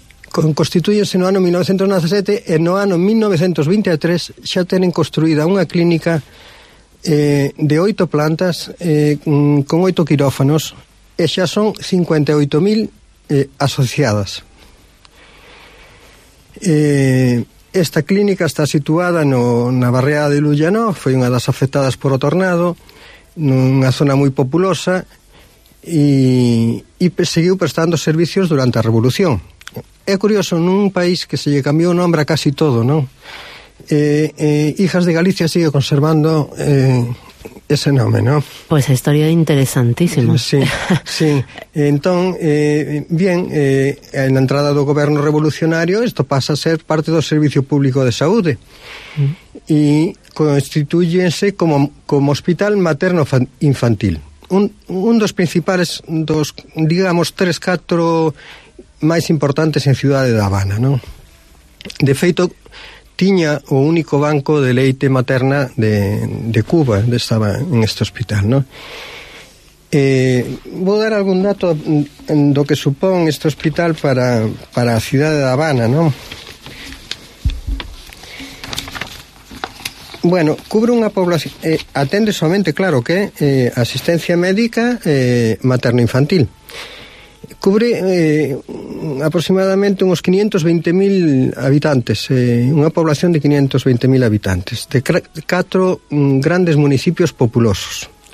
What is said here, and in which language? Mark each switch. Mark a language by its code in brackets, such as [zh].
[gl] Constituíanse no ano 1917 e no ano 1923 xa tenen construída unha clínica de 8 plantas con 8 quirófanos e xa son 58.000 asociadas. Esta clínica está situada na barreada de Lullanó, foi unha das afectadas por o tornado, nunha zona moi populosa e seguiu prestando servicios durante a Revolución. É curioso, nun país que se lle cambiou o nombre a casi todo, non? Hijas de Galicia sigue conservando ese nome, non? Pois a historia é interesantísima. Sí, sí. Entón, na entrada do goberno revolucionario, isto pasa a ser parte do Servicio Público de Saúde. E constituyense como hospital materno infantil. Un dos principales, dos, digamos, 3-4 máis importantes en Cidade da Habana, non? De feito, tiña o único banco de leite materna de Cuba, onde estaba en este hospital, non? Vou dar algún dato do que supón este hospital para a Cidade da Habana, non? Bueno, cubre unha población... atende somente, claro, que asistencia médica materno-infantil. [es] Cubre aproximadamente unos 520.000 habitantes, una población de 520.000 habitantes, de 4 grandes municipios populosos.